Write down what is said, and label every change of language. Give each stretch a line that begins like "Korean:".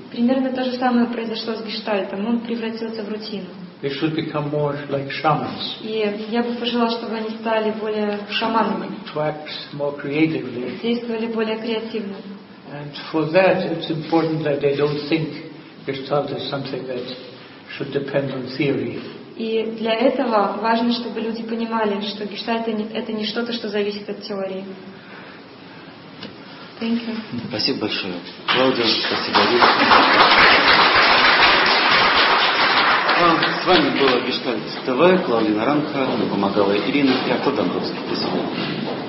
Russian: Примерно то же самое произошло с гештальтом. Он превратился в рутину.
English: They should become more like shamans.
Russian: И я бы пожелала, чтобы они стали более шаманами.
English: To act more creatively.
Russian: Действовали более креативно.
English: And for that, it's important that they don't think Gestalt is something that should depend on theory.
Russian: И для этого важно, чтобы люди понимали, что гештальт – это не что-то, что зависит от теории.
English: Thank you.
Russian: Спасибо большое. Клаудио, спасибо. С вами была Гештальт ТВ, Клаудио Наранха, мне помогала Ирина Якодомбровская. До свидания.